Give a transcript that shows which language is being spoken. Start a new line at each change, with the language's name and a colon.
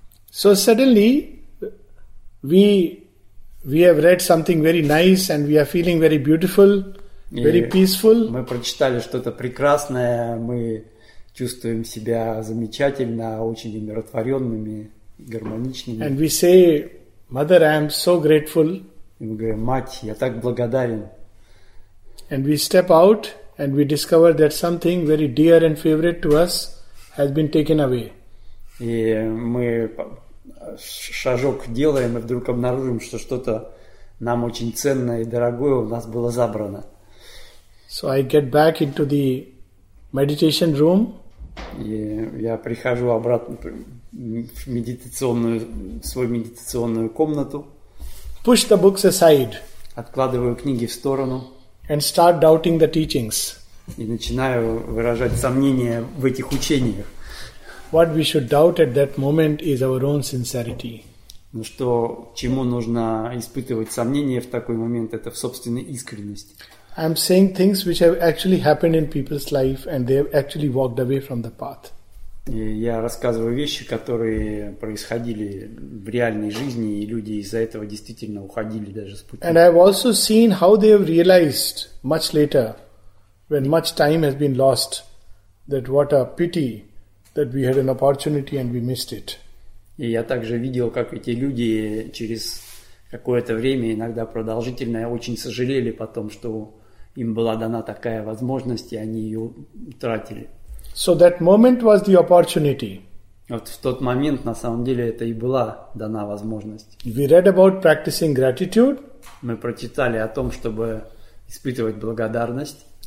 English: So suddenly we have read something very nice and we are feeling very beautiful, very peaceful.
Russian: Мы прочитали что-то прекрасное, мы чувствуем себя замечательно, очень умиротворенными, гармоничными.
English: And we say, Mother, I am so grateful.
Russian: И мы говорим, мать, я так благодарен.
English: And we step out and we discover that something very dear and favorite to us has been taken away.
Russian: И мы шажок делаем и вдруг обнаружим, что что-то нам очень ценное и дорогое у нас было забрано.
English: So I get back into the meditation room.
Russian: И я прихожу обратно в медитационную, в свою медитационную комнату.
English: Push the books aside.
Russian: Откладываю книги в сторону.
English: And start doubting the teachings.
Russian: И начинаю выражать сомнения в этих учениях.
English: What we should doubt at that moment is our own sincerity.
Russian: Ну что, чему нужно испытывать сомнения в такой момент, это в собственной искренности.
English: I'm saying things which have actually happened in people's life and they have actually walked away from the path.
Russian: И я рассказываю вещи, которые происходили в реальной жизни, и люди из-за этого действительно уходили даже с пути.
English: And I've also seen how they have realized much later, when much time has been lost, that what a pity that we had an opportunity and we missed it.
Russian: И я также видел, как эти люди через какое-то время, иногда продолжительное, очень сожалели потом, что им была дана такая возможность, и они ее утратили.
English: So that moment was the opportunity.
Russian: Вот в тот момент, на самом деле, это и была дана возможность.
English: We read about practicing gratitude. Мы прочитали о том, чтобы испытывать благодарность.